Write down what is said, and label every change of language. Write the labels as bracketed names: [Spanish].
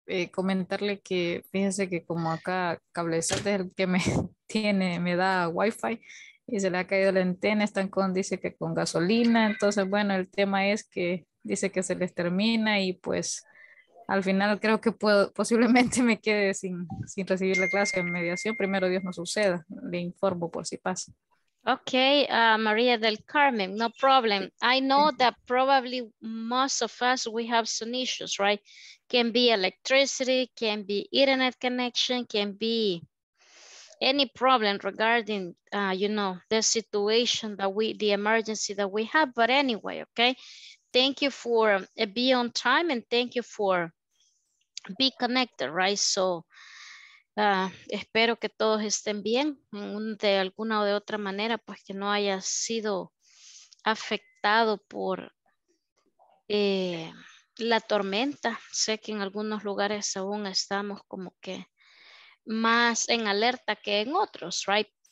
[Spanish] Comentarle que fíjese que como acá cablecete es el que me tiene, me da wifi y se le ha caído la antena, están con, dice que con gasolina, entonces bueno, el tema es que dice que se les termina y pues al final creo que puedo, posiblemente me quede sin recibir la clase de mediación, primero Dios no suceda, le informo por si pasa. [English] Okay, María del Carmen, no problem. I know that probably most of us, we have some issues, right? Can be electricity, can be internet connection, can be any problem regarding, you know, the situation that we, the emergency that we have. But anyway, okay, thank you for being on time and thank you for be connected, right? [Spanish] So espero que todos estén bien de alguna o de otra manera, pues que no haya sido afectado por la tormenta. Sé que en algunos lugares aún estamos como que más en alerta que en otros, right?